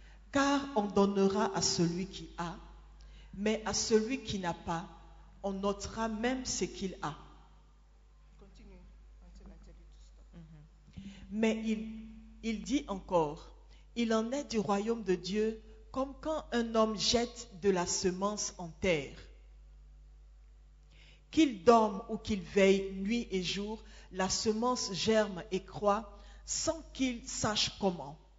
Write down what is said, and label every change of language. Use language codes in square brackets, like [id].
[fr] Car on donnera à celui qui a, mais à celui qui n'a pas, on ôtera même ce qu'il a. [en] Continue until I tell you to stop. [fr] Mais il dit encore, il en est du royaume de Dieu comme quand un homme jette de la semence en terre. Qu'il dorme ou qu'il veille nuit et jour, la semence germe et croît sans qu'il sache comment.